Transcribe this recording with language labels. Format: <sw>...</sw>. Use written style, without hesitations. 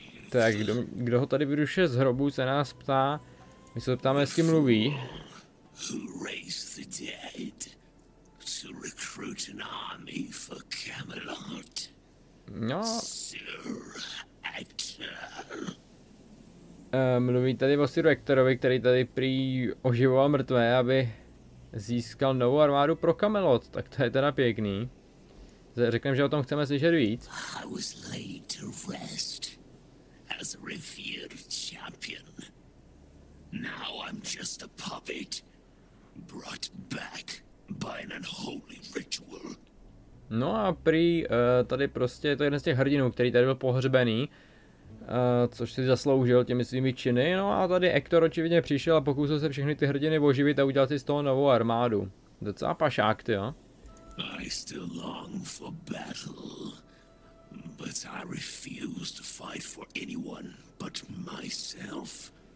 <cs>Tak, kdo ho tady vyruše z hrobu, se nás ptá, my se ptáme, jestli mluví.</cs> <en>Who raised the dead to recruit an army for Camelot? No. Sir Ector.</en> <cs>Mluví tady o Sir Ectorovi, který tady prý oživoval mrtvé, aby získal novou armádu pro Camelot. Tak to je teda pěkný. Řekneme, že o tom chceme slyšet víc.</cs> <en>I was laid to rest as a revered champion. Now I'm just a puppet. Brought back by an unholy ritual.</en> <cs>No a prý tady prostě je to jeden z těch hrdinů, který tady byl pohřbený, což si zasloužil těmi svými činy, no a tady Ektor očividně přišel a pokusil se všechny ty hrdiny oživit a udělat si z toho novou armádu. Docela pašák, ty jo.</cs> <en>I still long for battle, but I refuse to fight for anyone but myself.</en>